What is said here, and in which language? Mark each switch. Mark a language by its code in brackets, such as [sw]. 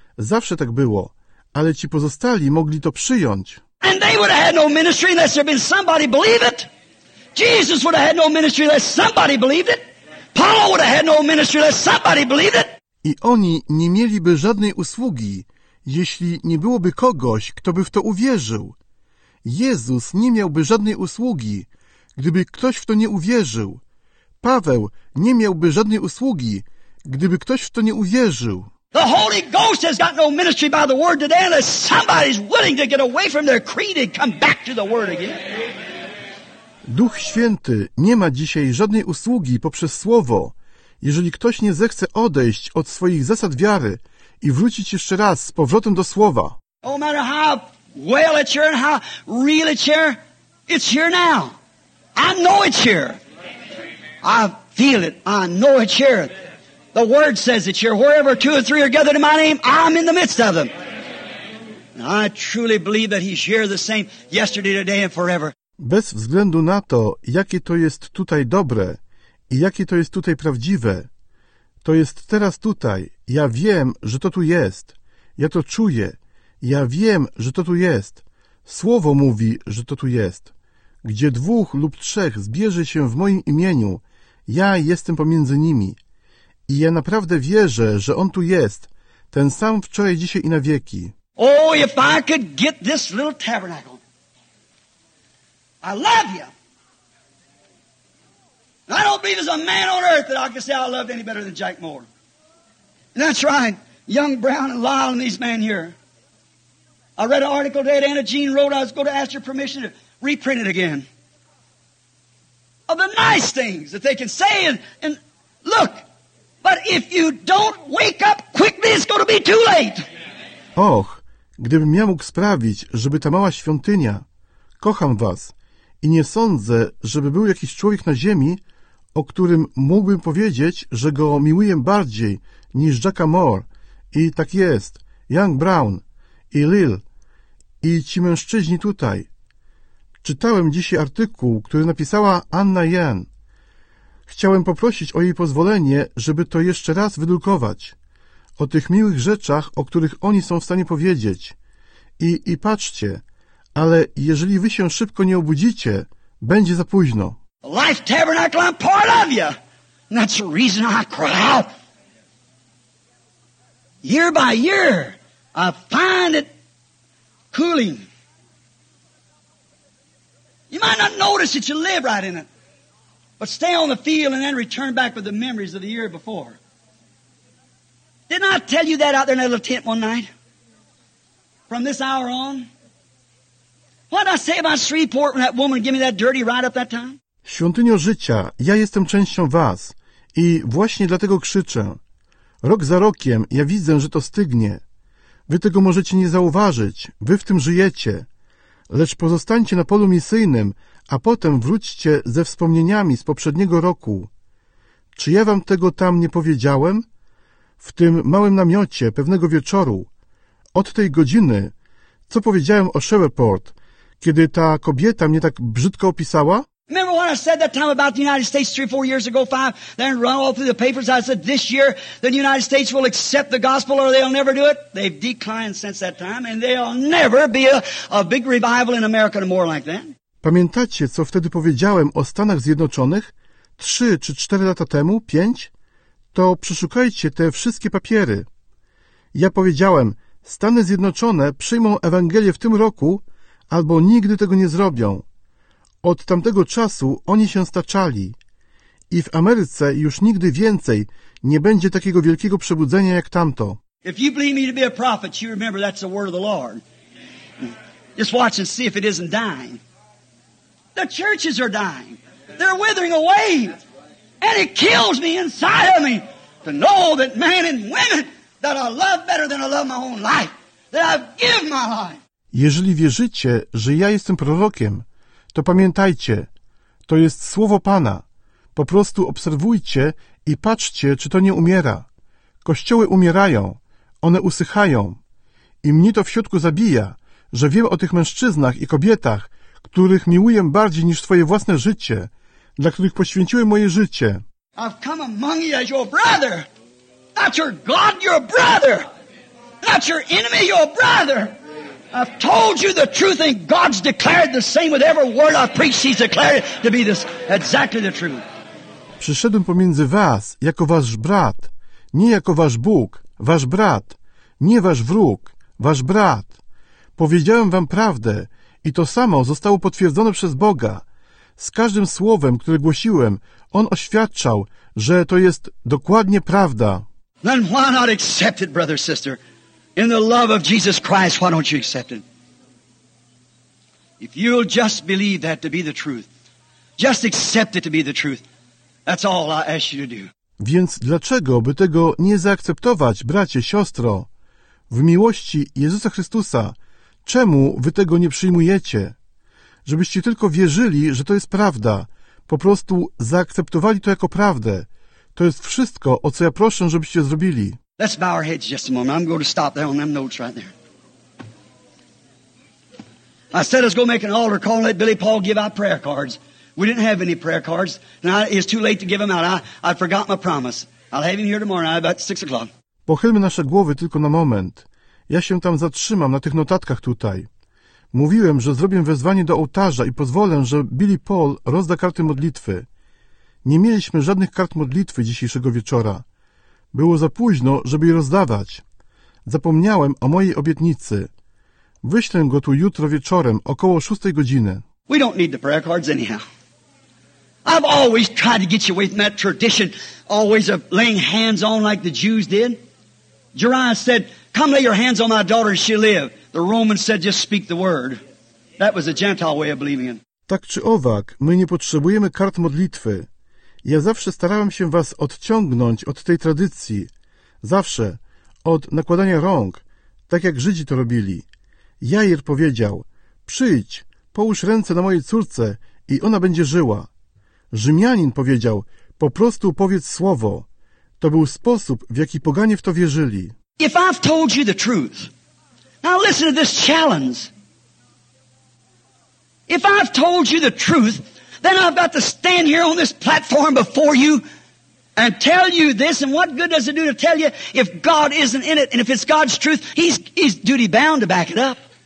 [pl] Zawsze tak było, ale ci pozostali mogli to przyjąć. [en] And they would have had no ministry unless there been somebody believe it. Jesus would have had no ministry unless somebody believed it. Paul would have had no ministry unless somebody believed it. [pl] I oni nie mieliby żadnej usługi, jeśli nie byłoby kogoś, kto by w to uwierzył. Jezus nie miałby żadnej usługi, gdyby ktoś w to nie uwierzył. Paweł nie miałby żadnej usługi, gdyby ktoś w to nie uwierzył. [en] The Holy Ghost has got no ministry by the word today unless somebody's willing to get away from their creed and come back to the word again. [pl] Duch Święty nie ma dzisiaj żadnej usługi poprzez słowo, jeżeli ktoś nie zechce odejść od swoich zasad wiary i wrócić jeszcze raz z powrotem do słowa. [en] No matter how well it's here and how real it's here now. I know it's here. I feel it. I know it's here. The word says it's here. Wherever two or three are gathered in my name, I'm in the midst of them. And I truly believe that he's here the same yesterday, today and forever. [pl] Bez względu na to, jakie to jest tutaj dobre i jakie to jest tutaj prawdziwe, to jest teraz tutaj. Ja wiem, że to tu jest. Ja to czuję. Ja wiem, że to tu jest. Słowo mówi, że to tu jest. Gdzie dwóch lub trzech zbierze się w moim imieniu, ja jestem pomiędzy nimi. I ja naprawdę wierzę, że On tu jest, ten sam wczoraj, dzisiaj i na wieki. [en] Oh, if I could get this little tabernacle. I love you. I don't believe there's a man on earth that I can say I loved any better than Jack Moore. And that's right, young Brown and Lyle and these men here. I read an article today that Anna Jean wrote. I was going to ask your permission to reprint it again. Of the nice things that they can say and look, but if you don't wake up quickly, it's going to be too late. [pl] Och, gdybym ja mógł sprawić, żeby ta mała świątynia, kocham was, i nie sądzę, żeby był jakiś człowiek na ziemi, o którym mógłbym powiedzieć, że go miłuję bardziej niż Jacka Moore. I tak jest, Young Brown i Lil i ci mężczyźni tutaj. Czytałem dzisiaj artykuł, który napisała Anna Yen. Chciałem poprosić o jej pozwolenie, żeby to jeszcze raz wydrukować. O tych miłych rzeczach, o których oni są w stanie powiedzieć. I patrzcie, ale jeżeli wy się szybko nie obudzicie, będzie za późno. [en] Life tabernacle, I'm part of you. And that's the reason I cry out. Year by year, I find it cooling. You might not notice that you live right in it, but stay on the field and then return back with the memories of the year before. Didn't I tell you that out there in that little tent one night? From this hour on? What did I say about Shreveport when that woman gave me that dirty ride up that time? [pl] Świątynio życia, ja jestem częścią was i właśnie dlatego krzyczę. Rok za rokiem ja widzę, że to stygnie. Wy tego możecie nie zauważyć, wy w tym żyjecie. Lecz pozostańcie na polu misyjnym, a potem wróćcie ze wspomnieniami z poprzedniego roku. Czy ja wam tego tam nie powiedziałem? W tym małym namiocie pewnego wieczoru, od tej godziny, co powiedziałem o Shreveport, kiedy ta kobieta mnie tak brzydko opisała? [en] Remember what I said that time about the United States 3-4 years ago, 5, then run all through the papers. I said, this year, the United States will accept the gospel or they'll never do it. They've declined since that time and they'll never be a big revival in America no more like that. [pl] Pamiętacie, co wtedy powiedziałem o Stanach Zjednoczonych? 3 czy 4 lata temu? 5? To przeszukajcie te wszystkie papiery. Ja powiedziałem, Stany Zjednoczone przyjmą Ewangelię w tym roku albo nigdy tego nie zrobią. Od tamtego czasu oni się staczali i w Ameryce już nigdy więcej nie będzie takiego wielkiego przebudzenia jak tamto. [en] If you believe me to be a prophet, you remember that's the word of the Lord. Just watch and see if it isn't dying. The churches are dying. They're withering away. And it kills me inside of me to know that men and women that I love better than I love my own life, that I've given my life. [pl] Jeżeli wierzycie, że ja jestem prorokiem, to pamiętajcie, to jest słowo Pana. Po prostu obserwujcie i patrzcie, czy to nie umiera. Kościoły umierają, one usychają. I mnie to w środku zabija, że wiem o tych mężczyznach i kobietach, których miłuję bardziej niż Twoje własne życie, dla których poświęciłem moje życie. [en] I've come among you as your brother. Not your God, your brother. Not your enemy, your brother. I've told you the truth, and God's declared the same with every word I've preached. He's declared it to be this exactly the truth. [pl] Przyszedłem pomiędzy was jako wasz brat, nie jako wasz Bóg, wasz brat, nie wasz wróg, wasz brat. Powiedziałem wam prawdę i to samo zostało potwierdzone przez Boga. Z każdym słowem, które głosiłem, on oświadczał, że to jest dokładnie prawda. [en] Then why not accept it, brother, sister? In the love of Jesus Christ, why don't you accept it? If you'll just believe that to be the truth, just accept it to be the truth. That's all I ask you to do. [pl] Więc dlaczego by tego nie zaakceptować, bracie, siostro? W miłości Jezusa Chrystusa, czemu wy tego nie przyjmujecie? Żebyście tylko wierzyli, że to jest prawda. Po prostu zaakceptowali to jako prawdę. To jest wszystko, o co ja proszę, żebyście zrobili. [en] Let's bow our heads just a moment. I'm going to stop there on them notes right there. I said let's go make an altar call and let Billy Paul give out prayer cards. We didn't have any prayer cards. Now it's too late to give them out. I forgot my promise. I'll have him here tomorrow about 6 o'clock. [pl] Pochylmy nasze głowy tylko na moment. Ja się tam zatrzymam na tych notatkach tutaj. Mówiłem, że zrobię wezwanie do ołtarza i pozwolę, że Billy Paul rozda karty modlitwy. Nie mieliśmy żadnych kart modlitwy dzisiejszego wieczora. Było za późno, żeby je rozdawać. Zapomniałem o mojej obietnicy. Wyślę go tu jutro wieczorem, około 6 godziny. [en] We don't need the prayer cards anyhow. I've always tried to get you away from that tradition, always of laying hands on like the Jews did. Jeremiah said, come lay your hands on my daughter and she'll live. The Romans said, just speak the word. That was a Gentile way of believing. [pl] Tak czy owak, my nie potrzebujemy kart modlitwy. Ja zawsze starałem się was odciągnąć od tej tradycji. Zawsze. Od nakładania rąk. Tak jak Żydzi to robili. Jair powiedział, przyjdź, połóż ręce na mojej córce i ona będzie żyła. Rzymianin powiedział, po prostu powiedz słowo. To był sposób, w jaki poganie w to wierzyli. [en] If I've told you the truth, now listen to this challenge. If I've told you the truth, then I've got to stand here on this platform before you and tell you this. And what good does it do to tell you if God isn't in it? And if it's God's truth, he's duty bound to back it up.